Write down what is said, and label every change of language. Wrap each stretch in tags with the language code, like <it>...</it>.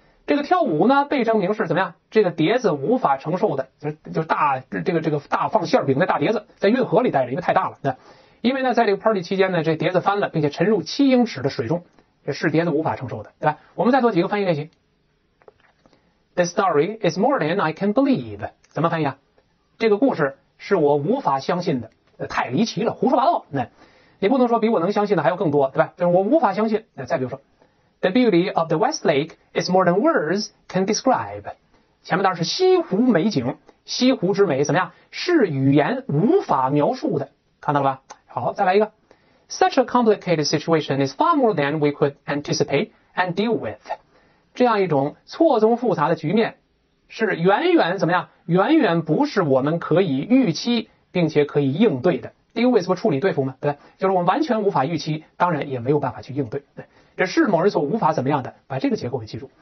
<zh>这个跳舞呢被证明是怎么样，这个碟子无法承受的，就是大这个大放馅饼的大碟子在运河里带着，因为太大了。因为呢在这个 party 期间呢，这碟子翻了并且沉入七英尺的水中，这是碟子无法承受的，对吧？我们再做几个翻译练习。</zh> <en>The story is more than I can believe，</en> <zh>怎么翻译啊？这个故事是我无法相信的，太离奇了，胡说八道。你不能说比我能相信的还要更多，对吧？就是我无法相信。</zh> <en>再比如说，The beauty of the West Lake is more than words can describe.</en> <zh>前面当然是西湖美景，西湖之美怎么样？是语言无法描述的，看到了吧？好，再来一个。</zh> <en>Such a complicated situation is far more than we could anticipate and deal with.</en> <zh>这样一种错综复杂的局面，是远远怎么样？远远不是我们可以预期并且可以应对的。 Deal with 不处理对付吗？对，就是我们完全无法预期，当然也没有办法去应对。对，这是某人所无法怎么样的，把这个结构给记住。</zh>